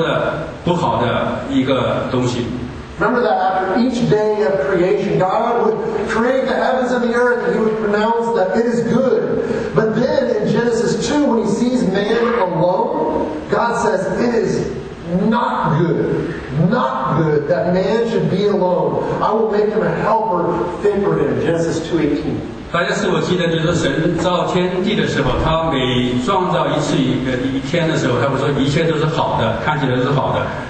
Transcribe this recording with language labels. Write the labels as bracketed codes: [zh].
[zh] 就孤独是神第一次说的不好的一个东西。 [en] Remember that after each day of creation, God would create the heavens and the earth, and he would pronounce that it is good. But then in Genesis 2, when he sees man alone, God says, it is not good, not good that man should be alone. I will make him a helper fit for him. Genesis 2:18. [zh] 大家是否记得，就是神造天地的时候，他每创造一次一天的时候，他会说一切都是好的，看起来都是好的。